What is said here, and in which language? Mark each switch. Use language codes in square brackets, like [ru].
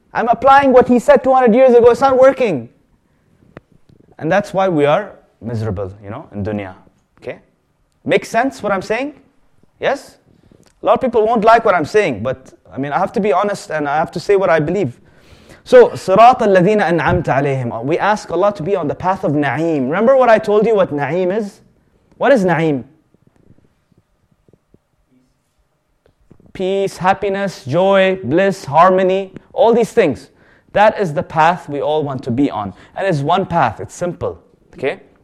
[en] I'm applying what he said 200 years ago, it's not working. And that's why we are miserable, you know, in dunya. Okay? Makes sense what I'm saying? Yes? A lot of people won't like what I'm saying, but I mean, I have to be honest and I have to say what I believe. [ar] So, صراط الذين أنعمت عليهم. [en] We ask Allah to be on the path of na'im. Remember what I told you what na'im is? What is na'im? Peace, happiness, joy, bliss, harmony, all these things. That is the path we all want to be on. And it's one path, it's simple. Okay?